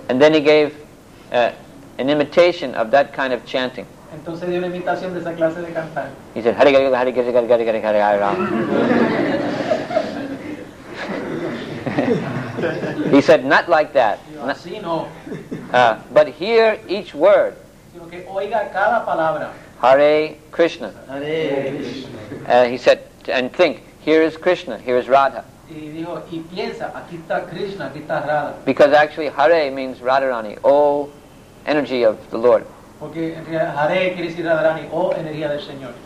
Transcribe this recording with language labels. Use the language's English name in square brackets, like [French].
[English] And then he gave an imitation of that kind of chanting. [Spanish] Entonces dio una imitación de esa clase de cantar. [English] He said, Hare Krishna, Hare Krishna, Hare Krishna, Hare Krishna, Hare Krishna. He said, not like that. [Spanish] Así no. [English] But hear each word. [Spanish] Sino que oiga cada palabra. [Sanskrit] Hare Krishna. Hare Krishna. [English] He said, and think, here is Krishna, here is Radha. [Spanish] Y dijo, y piensa, aquí está Krishna, aquí está Radha. [English] Because actually Hare means Radharani, oh energy of the Lord. [Spanish] Porque en realidad Hare quiere decir Radharani, oh energía del Señor.